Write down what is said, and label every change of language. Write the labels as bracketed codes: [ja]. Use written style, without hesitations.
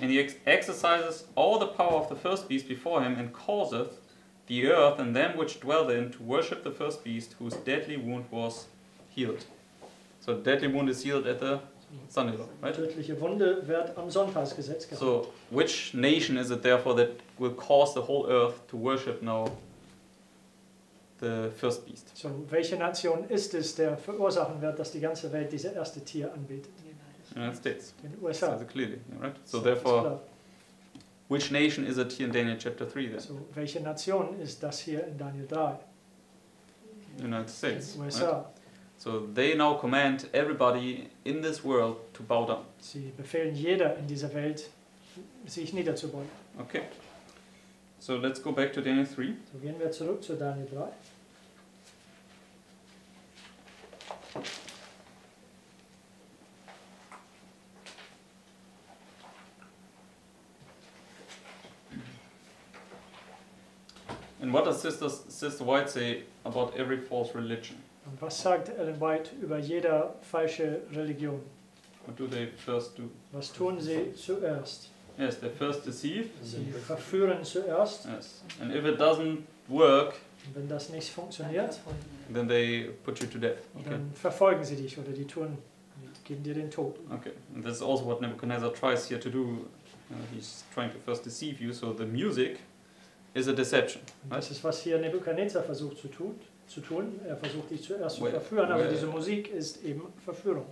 [en] And he exercises all the power of the first beast before him, and causeth the earth and them which dwell therein to worship the first beast, whose deadly wound was healed. So deadly wound is healed at the Sunday law, right? [de] Tödliche Wunde wird am Sonntagsgesetz geheilt. [en] So which nation is it therefore that will cause the whole earth to worship now the first beast? [de] So welche Nation ist es, der verursachen wird, dass die ganze Welt dieses erste Tier anbetet? [en] United States. [de] In USA. [en] So clearly, right? So therefore, which nation is it here in Daniel chapter 3 then? [de] So welche Nation ist das hier in Daniel 3? [en] United States. [de] In USA. [en] Right? So they now command everybody in this world to bow down. [de] Sie befehlen jeder in dieser Welt, sich niederzubeugen. [en] Okay. So let's go back to Daniel 3. [de] So gehen wir zurück zu Daniel 3. [en] And what does Sister White say about every false religion? [de] Und was sagt Ellen White über jede falsche Religion? [en] What do they first do? [de] Was tun sie zuerst? [en] Yes, they first deceive. [de] Sie verführen zuerst. [en] Yes. And if it doesn't work, [de] und wenn das nicht funktioniert, [en] then they put you to death. Okay. [de] Dann verfolgen sie dich oder die tun, geben dir den Tod. [en] Okay. And this is also what Nebuchadnezzar tries here to do. He's trying to first deceive you, so the music is a deception. [de] Das ist, was hier Nebuchadnezzar versucht zu tun. Er versucht dich zuerst zu verführen, aber diese Musik ist eben Verführung.